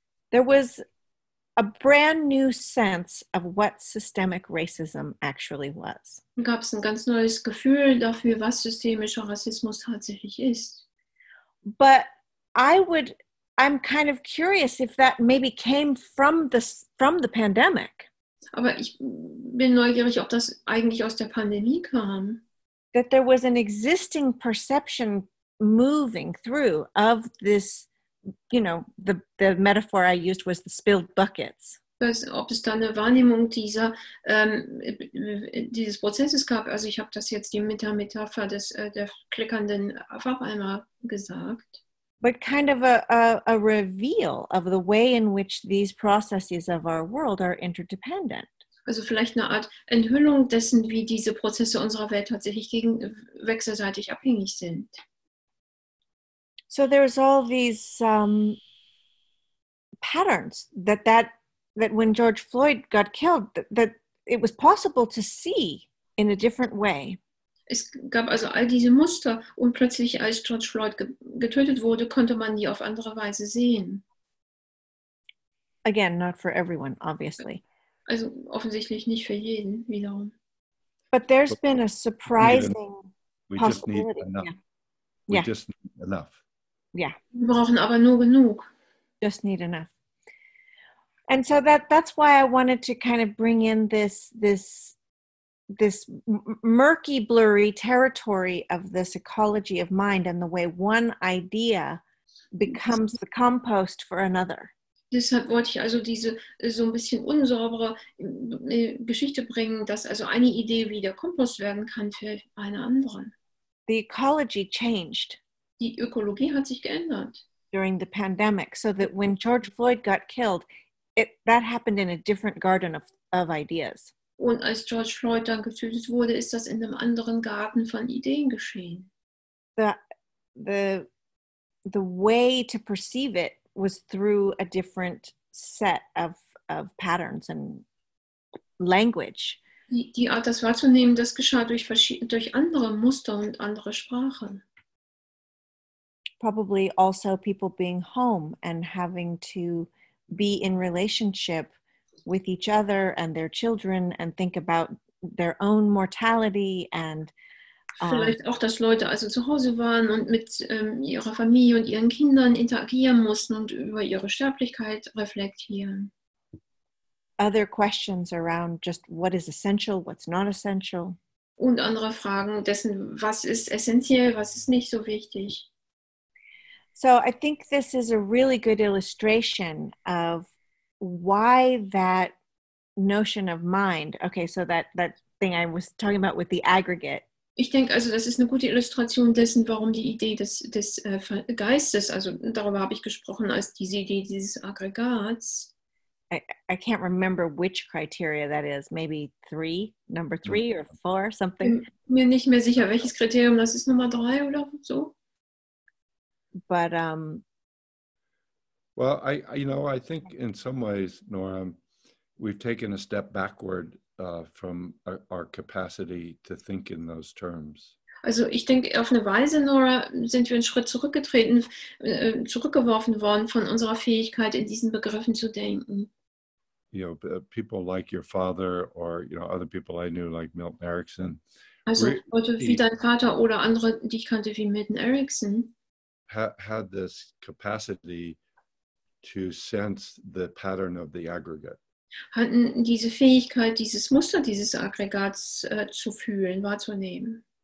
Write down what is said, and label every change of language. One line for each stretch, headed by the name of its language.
English: There was a brand new sense of what systemic racism actually was.
German: Gab es ein ganz neues Gefühl dafür, was systemischer Rassismus tatsächlich ist.
English: But I'm kind of curious if that maybe came from the pandemic.
German: Aber ich bin neugierig, ob das eigentlich aus der Pandemie kam.
English: That there was an existing perception moving through of this, the metaphor I used was the spilled buckets.
German: Ob es da eine Wahrnehmung dieser dieses Prozesses gab, also ich habe das jetzt die Metapher des der klickernden Farbeimer gesagt.
English: But kind of a reveal of the way in which these processes of our world are interdependent.
German: Also vielleicht eine Art Enthüllung dessen, wie diese Prozesse unserer Welt tatsächlich wechselseitig abhängig sind.
English: So there's all these patterns that when George Floyd got killed, that it was possible to see in a different way.
German: Es gab also all diese Muster und plötzlich, als George Floyd getötet wurde, konnte man die auf andere Weise sehen.
English: Again, not for everyone, obviously.
German: Also offensichtlich nicht für jeden wiederum.
English: But there's been a surprising possibility. We just need enough. We just need enough. Yeah.
German: Wir brauchen aber nur genug.
English: Just need enough. And so that's why I wanted to kind of bring in this murky, blurry territory of this ecology of mind and the way one idea becomes the compost for another.
German: Deshalb wollte ich also diese so ein bisschen unsaubere Geschichte bringen, dass also eine Idee wieder Kompost werden kann für eine andere.
English: The ecology changed.
German: Die Ökologie hat sich geändert.
English: During the pandemic, so that when George Floyd got killed, that happened in a different garden of ideas.
German: Und als George Floyd dann getötet wurde, ist das in einem anderen Garten von Ideen geschehen.
English: The way to perceive it was through a different set of patterns and language.
German: Die Art, das wahrzunehmen, das geschah durch andere Muster und andere Sprachen.
English: Probably also people being home and having to be in relationship with each other and their children and think about their own mortality and
German: vielleicht auch, dass Leute also zu Hause waren und mit ihrer Familie und ihren Kindern interagieren mussten und über ihre Sterblichkeit reflektieren.
English: Other questions around just what is essential, what's not essential.
German: Und andere Fragen dessen, was ist essentiell, was ist nicht so wichtig.
English: So I think this is a really good illustration of why that notion of mind, okay, so that thing I was talking about with the aggregate,
German: Ich denke, also das ist eine gute Illustration dessen, warum die Idee des Geistes, also darüber habe ich gesprochen, als diese Idee dieses Aggregats.
English: I can't remember which criteria that is. Maybe three, number three or four, something.
German: Ich bin mir nicht mehr sicher, welches Kriterium das ist, Nummer drei oder so.
English: But, well, I think in some ways, Nora, we've taken a step backward from our capacity to think in those terms.
German: Also ich denke, auf eine Weise, Nora, sind wir einen Schritt zurückgetreten, zurückgeworfen worden von unserer Fähigkeit, in diesen Begriffen zu denken.
English: You know, people like your father or, you know, other people I knew like Milton Erickson.
German: Also Leute wie dein Vater oder andere, die ich kannte wie Milton Erickson.
English: Had this capacity to sense the pattern of the aggregate.
German: Hatten diese Fähigkeit, dieses Muster dieses Aggregats zu fühlen, wahrzunehmen.